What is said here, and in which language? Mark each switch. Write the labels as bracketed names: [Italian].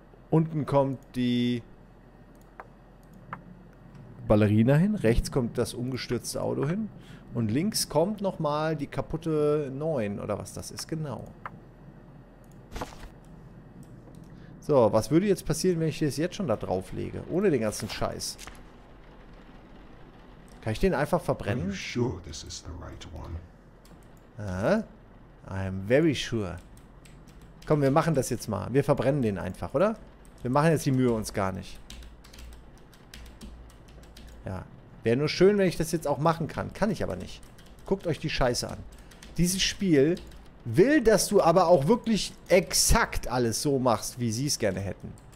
[German] Unten kommt die Ballerina hin. Rechts kommt das umgestürzte Auto hin. Und links kommt nochmal die kaputte 9 oder was das ist. Genau. So, was würde jetzt passieren, wenn ich das jetzt schon da drauf lege? Ohne den ganzen Scheiß. Kann ich den einfach verbrennen? [English] Are you sure this is the right one? I'm very sure. [German] Komm, wir machen das jetzt mal. Wir verbrennen den einfach, oder? Wir machen jetzt die Mühe uns gar nicht. Ja. Wäre nur schön, wenn ich das jetzt auch machen kann. Kann ich aber nicht. Guckt euch die Scheiße an. Dieses Spiel will, dass du aber auch wirklich exakt alles so machst, wie sie es gerne hätten.